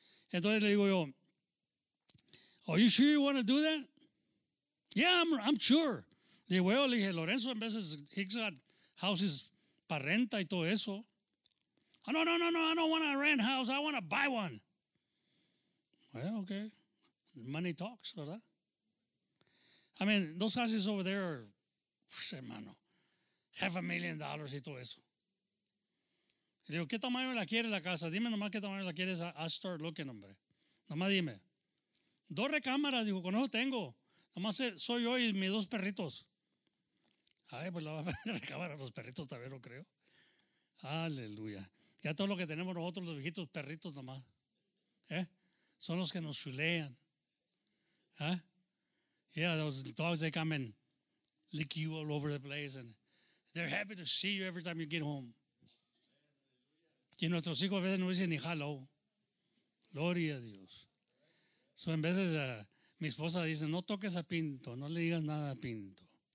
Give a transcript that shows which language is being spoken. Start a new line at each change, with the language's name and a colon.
Spanish: Entonces le digo yo,
English: are you sure you want to do that? Yeah, I'm sure.
Spanish: Luego le dije, Lorenzo, en veces
English: he's got houses
Spanish: para renta y todo eso.
English: Oh, no, no, no, no, I don't want to rent a house. I want to buy one. Well, okay. Money talks, ¿verdad? I mean, those houses over there are, hermano, $500,000
Spanish: y todo eso. Le digo, ¿qué tamaño la quieres la casa? Dime nomás qué tamaño la quieres.
English: I start looking,
Spanish: hombre. Nomás dime. Dos recámaras, dijo, con eso tengo. Nomás soy yo y mis dos perritos. Ay, pues la va a recámara a los perritos, también lo creo. Aleluya. Ya todo lo que tenemos nosotros, los viejitos perritos nomás. ¿Eh? Son los que nos chulean. ¿Eh?
English: Yeah, those dogs, they come and lick you all over the place. And they're happy to see you every time you get home.
Spanish: Y nuestros hijos a veces no dicen ni hello. Gloria a Dios. So, en veces, mi esposa dice, no toques a Pinto, no le digas nada a Pinto.